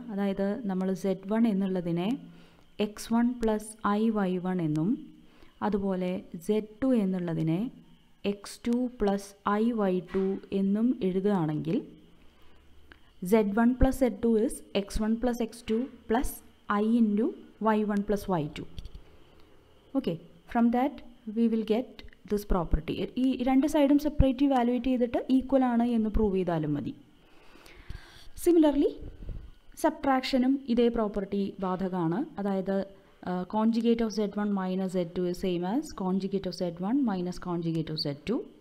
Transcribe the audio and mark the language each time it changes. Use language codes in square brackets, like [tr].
[ml] അതായത് നമ്മൾ z1 എന്നുള്ളതിനെ x1 plus iy1 എന്നും അതുപോലെ z2 എന്നുള്ളതിനെ x2 plus iy2 എന്നും എഴുതുകയാണെങ്കിൽ [en] z1 plus z2 is x1 plus x2 plus I into y1 plus y2. Okay, from that we will get this property. [ml] ഈ രണ്ട് സൈഡും സെപ്പറേറ്റ് ഇവാലുവേറ്റ് ചെയ്തിട്ട് ഈക്വൽ ആണ് എന്ന് പ്രൂവ് ചെയ്താലും മതി. സിമിലർലി സബ്ട്രാക്ഷനും ഇതേ പ്രോപ്പർട്ടി ബാധകമാണ്. [en] അതായത് conjugate of z1 minus z2 is same as conjugate of z1 minus conjugate of z2.